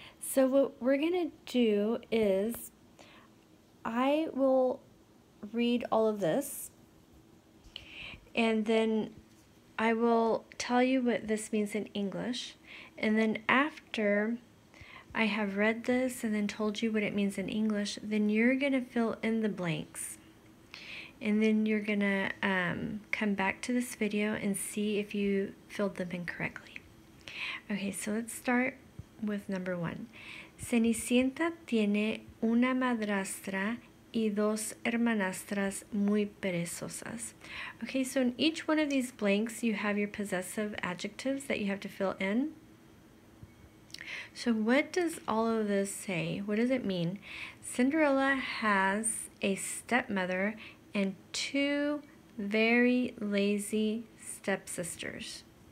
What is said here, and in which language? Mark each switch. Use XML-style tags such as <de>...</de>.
<en>So what we're gonna do is I will read all of this and then I will tell you what this means in English, and then after I have read this and then told you what it means in English, then you're gonna fill in the blanks. And then you're gonna come back to this video and see if you filled them in correctly. Okay, so let's start with number one.</en> <es>Cenicienta tiene una madrastra y dos hermanastras muy perezosas.</es> <en>Okay, so in each one of these blanks, you have your possessive adjectives that you have to fill in. So what does all of this say? What does it mean? Cinderella has a stepmother and two very lazy stepsisters.</en>